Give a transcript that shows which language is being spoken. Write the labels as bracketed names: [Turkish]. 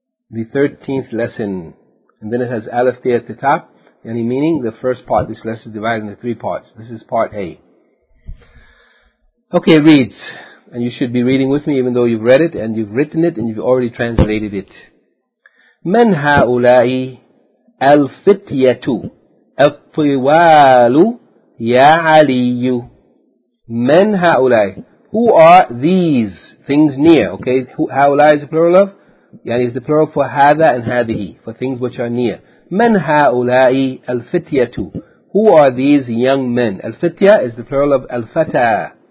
[English] The 13th lesson. And then it has Aleph there at the top. Any meaning? The first part. This lesson is divided into three parts. This is part A. Okay, it reads, and you should be reading with me even though you've read it and you've written it and you've already translated it. [Arabic] من هؤلاء الفتية الطوال يا علي. من هؤلاء. [English] Who are these things near? Okay, هؤلاء is the plural of, is the plural for هذا and هذه, for things which are near. [Arabic] من هؤلاء الفتية. [English] Who are these young men? الفتية is the plural of الفتى.